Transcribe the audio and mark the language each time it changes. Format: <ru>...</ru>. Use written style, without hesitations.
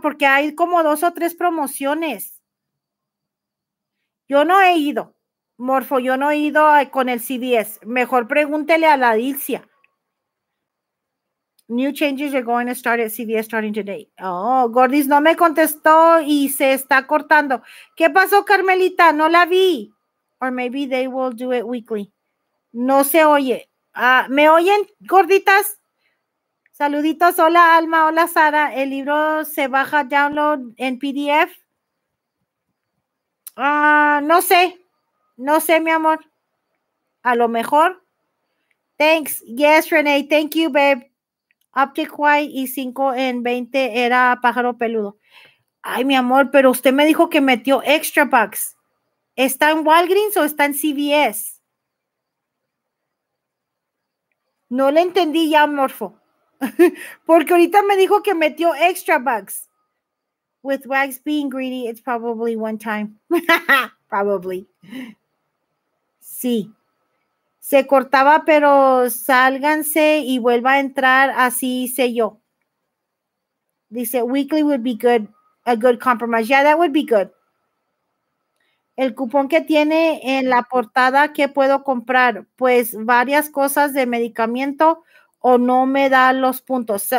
<es>Porque hay como dos o tres promociones. Yo no he ido, Morfo, yo no he ido con el CVS. Mejor pregúntele a la Dilcia.</es> <en>New changes are going to start at CVS starting today.</en> <es>Oh, Gordis no me contestó y se está cortando. ¿Qué pasó, Carmelita? No la vi.</es> <en>Or maybe they will do it weekly.</en> <es>No se oye. ¿Me oyen, gorditas? Saluditos. Hola, Alma. Hola, Sara. El libro se baja download en PDF. No sé, mi amor. A lo mejor.</es> <en>Thanks. Yes, Renee. Thank you, babe.</en> <es>Optic White y 5 en 20 era pájaro peludo. Ay, mi amor, pero usted me dijo que metió extra bucks. ¿Está en Walgreens o está en CVS? No le entendí ya, Morfo. Porque ahorita me dijo que metió extra bucks.</es> <en>With Wags being greedy, it's probably one time. Probably.</en> <es>Sí. Se cortaba, pero sálganse y vuelva a entrar, así hice yo. Dice,</es> <en>weekly would be good, a good compromise. Yeah, that would be good.</en> <es>El cupón que tiene en la portada, ¿qué puedo comprar? Pues varias cosas de medicamento o no me da los puntos.</es>